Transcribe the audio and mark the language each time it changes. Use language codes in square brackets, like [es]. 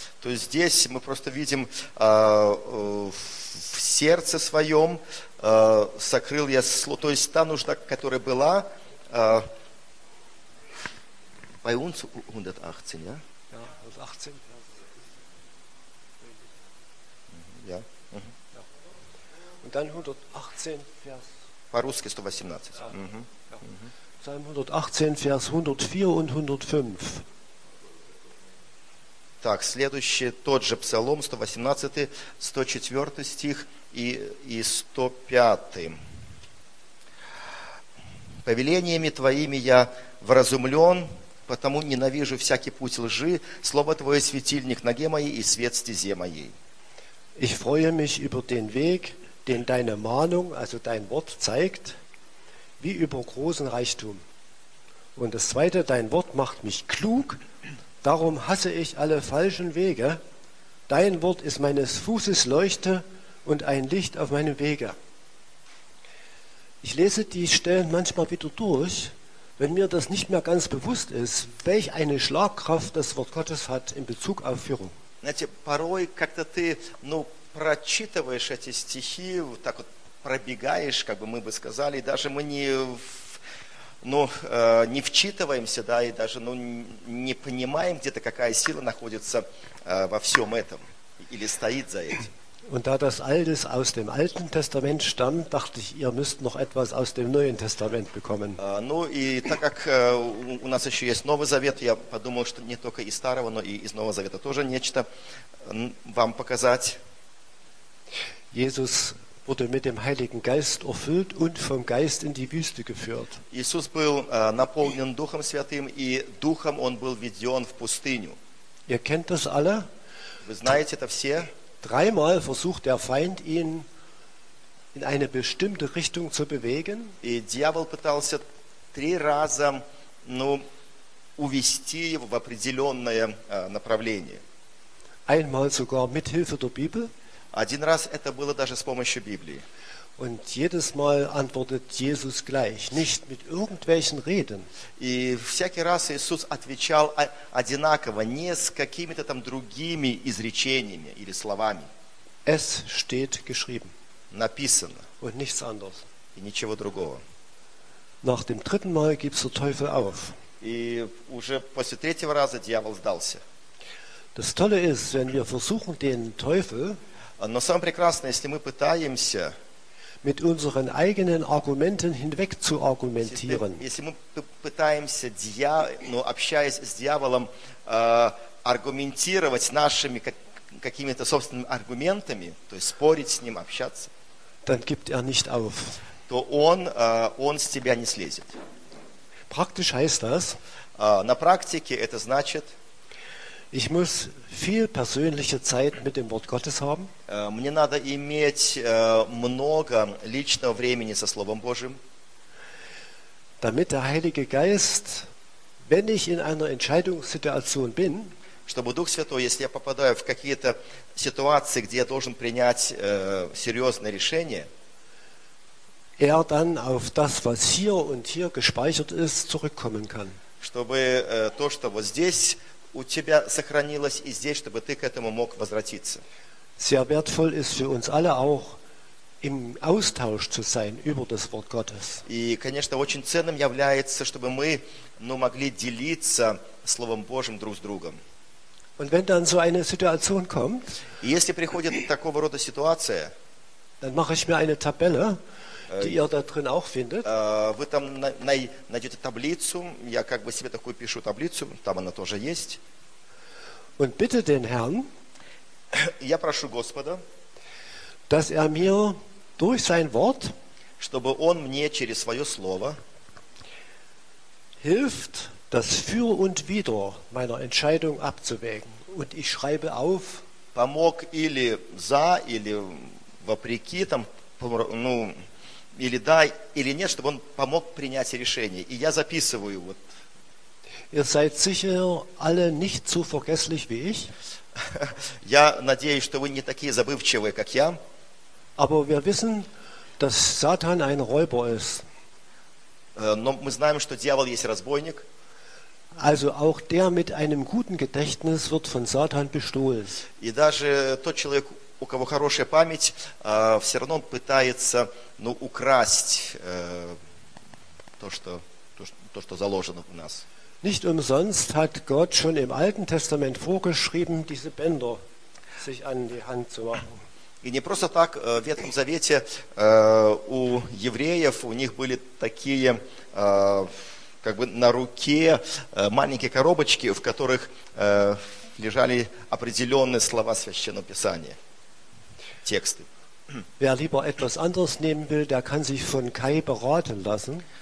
[ru] То есть здесь мы просто видим, в сердце своем сокрыл я слово, то есть та нужда, которая была, [de] bei uns 118, ja? Ja, 118. Ja. Und dann 118, Vers... [ru] По-русски 118. [de] Ja. Psalm 118, Vers 104 und 105. [ru] Так, следующий, тот же Псалом, 118, 104 стих и 105. «Повелениями Твоими я вразумлен, потому ненавижу всякий путь лжи. Слово Твое – светильник ноге моей и свет стезе моей». [de] Ich freue mich über den Weg, den Deine Mahnung, also Dein Wort, zeigt, wie über großen Reichtum. Und das Zweite, Dein Wort macht mich klug, darum hasse ich alle falschen Wege. Dein Wort ist meines Fußes Leuchte und ein Licht auf meinem Wege. Ich lese die Stellen manchmal wieder durch, Wenn mir das nicht mehr ganz bewusst ist, welch eine Schlagkraft das Wort Gottes hat in Bezug auf Führung. [ru] Знаете, порой как-то ты, ну, прочитываешь эти стихи, вот так вот пробегаешь, как бы мы бы сказали, даже мы не, ну, не вчитываемся, да, и даже, ну, не понимаем где-то, какая сила находится во всем этом или стоит за этим. [de] Und da das alles aus dem Alten Testament stammt, dachte ich, ihr müsst noch etwas aus dem Neuen Testament bekommen. [ru] Ну и так как у нас еще есть Новый Завет, я подумал, что не только из Старого, но и из Нового Завета тоже нечто вам показать. [de] Jesus wurde mit dem Heiligen Geist erfüllt und vom Geist in die Wüste geführt. [ru] Иисус был наполнен Духом Святым и Духом он был введен в пустыню. [de] Ihr kennt das alle? [ru] Вы знаете это все? [de] Dreimal versucht der Feind ihn in eine bestimmte Richtung zu bewegen. [ru] И дьявол пытался три раза, ну, увести его в определенное направление. [de] Einmal sogar mit Hilfe der Bibel. [ru] Один раз это было даже с помощью Библии. [de] Und jedes Mal antwortet Jesus gleich, nicht mit irgendwelchen Reden. [ru] И всякий раз Иисус отвечал одинаково, не с какими-то там другими изречениями или словами. [de] Es steht geschrieben. [ru] Написано. [de] Und nichts anderes. [ru] И ничего другого. [de] Nach dem dritten Mal gibt der Teufel auf. [ru] И уже после третьего раза дьявол сдался. [de] Das Tolle ist, wenn wir versuchen den Teufel. [ru] Но самое прекрасное, если мы пытаемся [de] mit unseren eigenen Argumenten hinweg zu argumentieren. [ru] Если мы пытаемся, ну, общаясь с дьяволом, аргументировать нашими какими-то собственными аргументами, то есть спорить с ним, общаться, [de] dann gibt nicht auf. [ru] То он с тебя не слезет. [de] Praktisch heißt das, [ru] на практике это значит, [de] ich muss viel persönliche Zeit mit dem Wort Gottes haben. [ru] Мне надо иметь много личного времени со Словом Божьим. [de] Damit der Heilige Geist, wenn ich in einer Entscheidungssituation bin, [ru] чтобы Дух Святой, если я попадаю в какие-то ситуации, где я должен принять серьезное решение, [de] dann auf das, was hier und hier gespeichert ist, zurückkommen kann. [ru] Чтобы то, что вот здесь у тебя сохранилось и здесь, чтобы ты к этому мог возвратиться. [de] Sehr wertvoll ist für uns alle auch im Austausch zu sein über das Wort Gottes. [ru] И, конечно, очень ценным является, чтобы мы, ну, могли делиться Словом Божьим друг с другом. [de] Und wenn dann so eine Situation kommt, [ru] и если приходит такого рода ситуация, [de] dann mache ich mir eine Tabelle, die ihr da drin auch findet. [ru] Вы там найдете таблицу, я как бы себе такую пишу таблицу, там она тоже есть. [de] Und bitte den Herrn, [ru] я прошу Господа, [de] dass mir durch sein Wort, [ru] чтобы он мне через свое слово [de] hilft, das Für und Wider meiner Entscheidung abzuwägen. Und ich schreibe auf, [ru] помог или за, или вопреки, там, ну, или да, или нет, чтобы он помог принять решение. И я записываю вот. [de] Ihr seid sicher alle nicht so vergesslich wie ich. [ru] Я надеюсь, что вы не такие забывчивые, как я. [de] Aber wir wissen, dass Satan ein Räuber ist. [ru] Но мы знаем, что дьявол есть разбойник. [de] Also auch der mit einem guten Gedächtnis wird von Satan bestohlen. [ru] И даже тот человек, у кого хорошая память, все равно он пытается, ну, украсть то, что заложено в нас. [de] Nicht umsonst hat Gott schon im Alten Testament vorgeschrieben, diese Bänder sich an die Hand zu machen. [ru] И не просто так в Ветхом Завете у евреев у них были такие, как бы на руке маленькие коробочки, в которых лежали определенные слова Священного Писания. Тексты. [de] Wer lieber etwas anderes nehmen will, der kann sich von Kai beraten lassen.